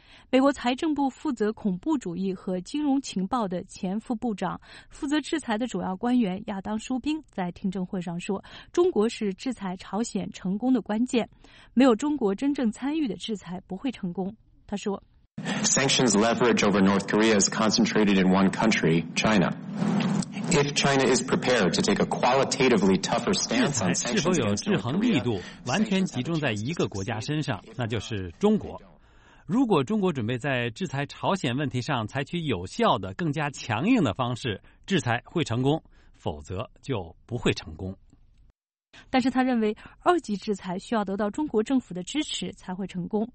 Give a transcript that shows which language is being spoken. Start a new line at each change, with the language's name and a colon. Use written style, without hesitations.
Chinese: 美国财政部负责恐怖主义和金融情报的前副部长、负责制裁的主要官员亚当·舒宾在听证会上说，中国是制裁朝鲜成功的关键，没有中国真正参与的制裁不会成功。他说，
English: Sanctions leverage over North Korea is concentrated in one country, China. If China is prepared to take a qualitatively tougher stance on sanctions,
Chinese: 是否有制衡力度，完全集中在一个国家身上，那就是中国。如果中国准备在制裁朝鲜问题上采取有效的、更加强硬的方式，制裁会成功，否则就不会成功。但是他认为二级制裁需要得到中国政府的支持才会成功。